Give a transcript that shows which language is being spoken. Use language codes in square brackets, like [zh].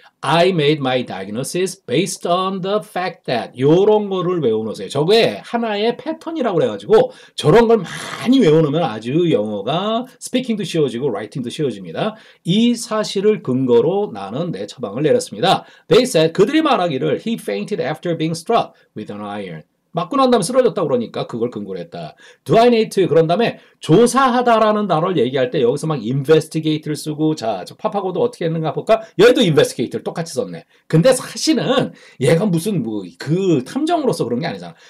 [en] I made my diagnosis based on the fact that [ko] 이런 거를 외워놓으세요. 저게 하나의 패턴이라고 해가지고 저런 걸 많이 외워놓으면 아주 영어가 스피킹도 쉬워지고 라이팅도 쉬워집니다. 이 사실을 근거로 나는 내 처방을 내렸습니다. [en] They said [ko] 그들이 말하기를 [en] He fainted after being struck with an iron. [ko] 맞고 난 다음에 쓰러졌다 그러니까 그걸 근거로 했다. [en] Do I need to? [ko] 그런 다음에 조사하다라는 단어를 얘기할 때 여기서 막 investigate를 쓰고 자, 저 파파고도 어떻게 했는가 볼까? 얘도 investigate를 똑같이 썼네. 근데 사실은 얘가 무슨 뭐 그 탐정으로서 그런 게 아니잖아.